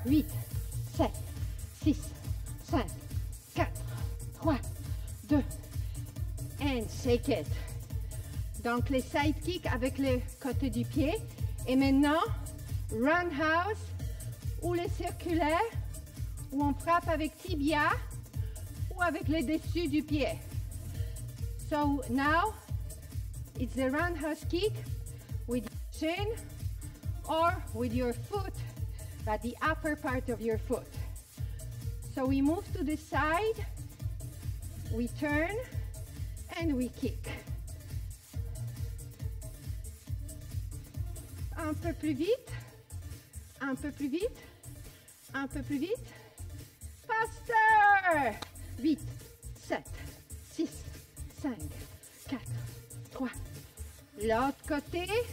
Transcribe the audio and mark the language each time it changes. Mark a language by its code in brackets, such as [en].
[en] 8, 7, 6, 5, 4, 3, 2. And shake it. [fr] Donc, les side kicks avec le côté du pied. Et maintenant, roundhouse ou le circulaire où on frappe avec tibia ou avec le dessus du pied. [en] So now, it's a roundhouse kick with your chin or with your foot, but the upper part of your foot. So we move to the side, we turn, and we kick. [fr] Un peu plus vite, un peu plus vite, un peu plus vite. [en] Faster! 8, 7, 6, 5, 4, 3. [fr] L'autre côté.